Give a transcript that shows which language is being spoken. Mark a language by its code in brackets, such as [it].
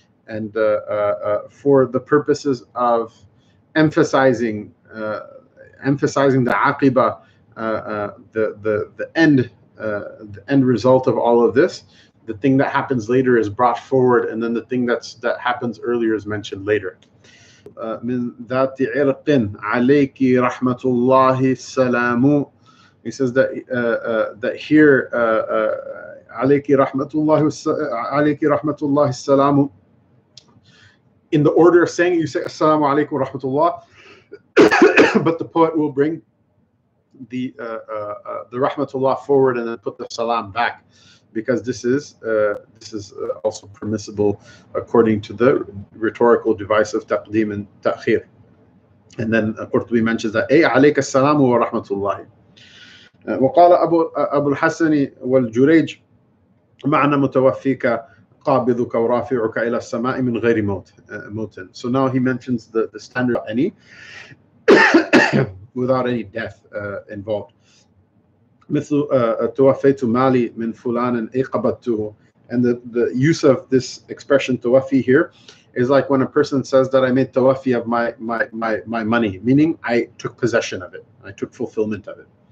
[en] And for the purposes of emphasizing the aqibah, the end result of all of this, the thing that happens later is brought forward, and then the thing that happens earlier is mentioned later. [ar] من ذات عرق عليك رحمة الله السلام. [en] He says that here [ar] عليك رحمة الله عليك رحمة الله السلام. [en] In the order of saying, you say Assalamu alaikum rahmatullah, but the poet will bring the rahmatullah forward and then put the salam back, because this is also permissible according to the rhetorical device of taqdim and ta'khir. And then Qurtubi mentions that [ar] ay alayka salam wa rahmatullah. وقال ابو الحسن والجريج معنى متوفيك قابضك ورافعك الى السماء من غير موت. [en] So now he mentions the standard any without any death involved. [ar] مثل توفيت مالي من فلان اي قبضته. [en] And the use of this expression توفي here is like when a person says that I made توفي of my money, meaning I took possession of it, I took fulfillment of it.